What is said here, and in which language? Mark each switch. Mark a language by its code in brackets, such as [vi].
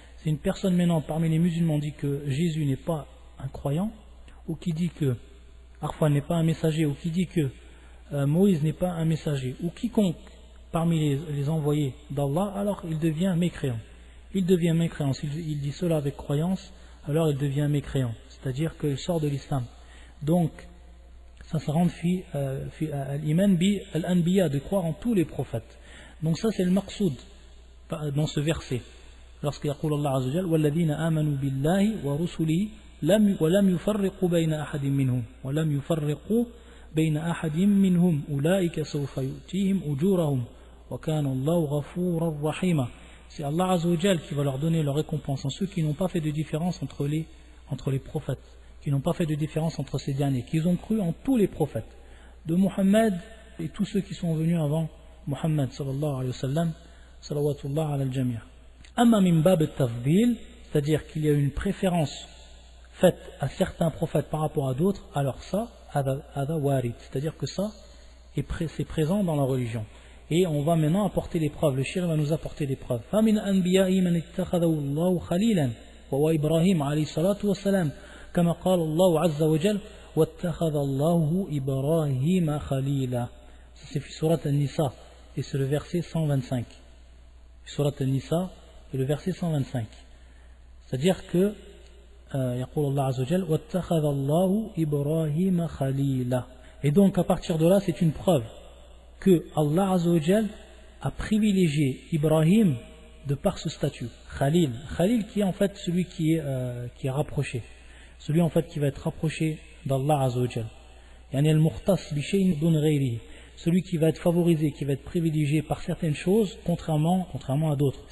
[fr] Si une personne maintenant parmi les musulmans dit que Jésus n'est pas un croyant, ou qui dit que Arfan n'est pas un messager, ou qui dit que Moïse n'est pas un messager, ou quiconque parmi les envoyés d'Allah, alors il devient mécréant. Il devient mécréant. S'il dit cela avec croyance, alors il devient mécréant. C'est-à-dire qu'il sort de l'islam. Donc, ça se rend [ar] fi al-iman bi al-anbiya, [fr] de croire en tous les prophètes. Donc ça, c'est le maqsoud dans ce verset. [ar] Lorsqu'il dit Allah Azza wa Jalla, وَالَّذِينَ آمَنُوا بِاللَّهِ وَرُسُلِهِ وَلَمْ يُفَرِّقُوا بَيْنَ أَحَدٍ مِّنْهُمْ وَلَمْ يُفَرِّقُوا بين أحد منهم أولئك سوف يؤتيهم أجورهم وكان الله غفورا رحيما. [fr] C'est Allah Azza wa Jalla qui va leur donner leur récompense en ceux qui n'ont pas fait de différence entre les prophètes, qui n'ont pas fait de différence entre ces derniers, qui ont cru en tous les prophètes de Muhammad et tous ceux qui sont venus avant Muhammad sallallahu alayhi wa sallam, [ar] salawatullah ala al-jami'. Amma min bab al-tafdil, [fr] c'est-à-dire qu'il y a une préférence faite à certains prophètes par rapport à d'autres, alors ça, c'est-à-dire que ça, c'est présent dans la religion. Et on va maintenant apporter des preuves, le shir va nous apporter des preuves. [ar] فَمِنْ أَنْبِيَاءِ مَنْ اتَّخَذَهُ اللَّهُ خَلِيلًا وَهُوَ إِبْرَاهِيمُ عَلَيْهِ الصَّلَاةُ وَالسَّلَامُ كَمَا قَالَ اللَّهُ عَزَّ وَجَلَّ وَاتَّخَذَ اللَّهُ إِبْرَاهِيمَ خَلِيلًا. [fr] Ça c'est surat An-Nisa et c'est le verset 125. Surat An-Nisa et le verset 125. C'est-à-dire que [ar] يقول الله عز وجل واتخذ الله إبراهيم خليلا. [fr] Et donc à partir de là, c'est une preuve que Allah عز وجل a privilégié Ibrahim de par ce statut Khalil. Khalil qui est en fait celui qui est rapproché, celui en fait qui va être rapproché d'Allah عز وجل. [ar] يعني المختص بشيء دون غيره, [fr] celui qui va être favorisé, qui va être privilégié par certaines choses contrairement à d'autres.